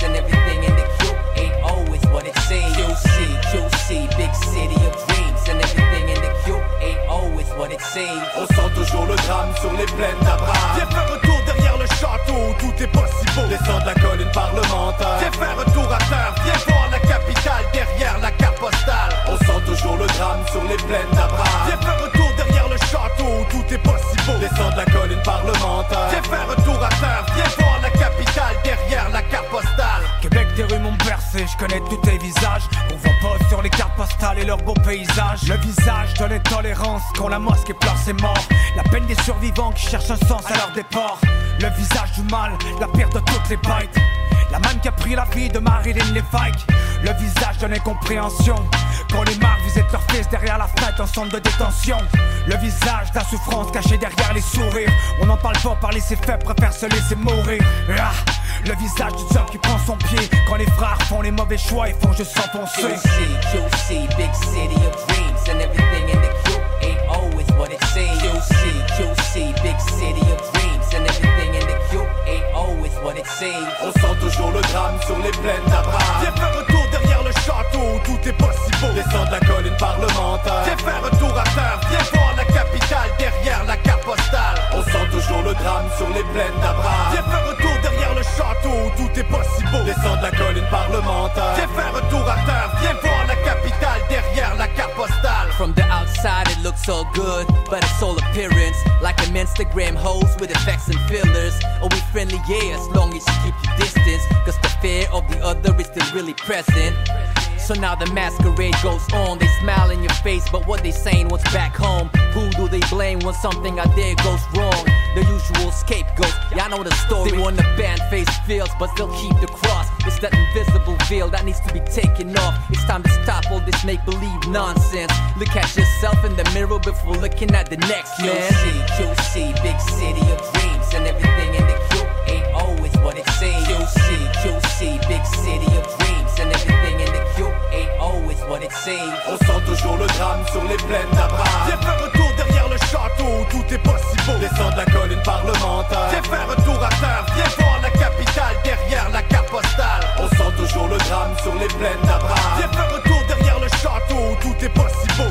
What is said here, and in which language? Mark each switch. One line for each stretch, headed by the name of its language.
English: And everything in the Q ain't always what it seems. QC, QC, big city of dreams. And everything in the Q ain't always what it seems.
French: On sent toujours le drame sur les plaines d'Abraham. Viens faire un tour derrière le château où tout est possible. Descends de la colline parlementaire. Viens faire un tour à terre. Viens voir la capitale derrière la carte postale. On sent toujours le drame sur les plaines d'Abraham. Viens faire un tour derrière le château où tout est possible. Descends de la colline parlementaire. Viens faire un tour à terre. Viens voir la capitale derrière la carte postale. Québec, tes rues m'ont bercé. Je connais tous tes visages. On voit pas sur les cartes postales et leurs beaux paysages. Le visage de l'intolérance quand la mosquée pleure ses morts. La peine des survivants qui cherchent un sens à leur départ. Le visage du mal, la pire de toutes les bêtes. La manne qui a pris la vie de Marilyn Lefebvre. Le visage de l'incompréhension. Quand les marques, vous êtes leur fils derrière la fenêtre en centre de détention. Le visage de la souffrance caché derrière les sourires. On en parle fort, parler c'est fait, préfère se laisser mourir. Ah, le visage du diable qui prend son pied. Quand les frères font les mauvais choix et font juste s'enfoncer.
English: QC, QC, big city of dreams. And everything in the Q ain't always what it seems. QC, QC, big city of dreams. And everything in the Q ain't always what it seems.
French: On sent toujours le drame sur les plaines d'Abraham. Viens faire un tour derrière le château où tout est possible. Descends de la colline parlementaire. Viens faire un tour à terre. Viens voir la capitale derrière la carte postale. On sent toujours le drame sur les plaines d'Abraham. Viens faire un tour derrière le château où tout est possible. Descends de la colline parlementaire. Viens faire un tour à terre. Viens voir la capitale derrière la carte postale.
English: From the outside it looks all good, but it's all appearance. Like an Instagram host with effects and fillers. Are we friendly? Yeah, as long as you keep your distance. Cause the fear of the other is still really present. So now the masquerade goes on. They smile in your face, but what they saying, what's back home? Who do they blame when something out there goes wrong? The usual scapegoats, y'all know the story. They want to ban face fields, but still keep the cross. It's that invisible veil that needs to be taken off. It's time to stop all this make-believe nonsense. Look at yourself in the mirror before looking at the next man. QC, QC, big city of dreams. And everything in the Q ain't always what it seems. QC, QC, big city of dreams. And everything in the Q ain't always what it seems.
French: On sent toujours le drame sur les plaines d'Abraham. Viens faire retour derrière le château où tout est possible. Descends de la colline parlementaire. Viens faire retour à terre. Viens voir la capitale derrière la carte postale. On sent toujours le drame sur les plaines d'Abraham. Viens faire retour derrière le château où tout est possible.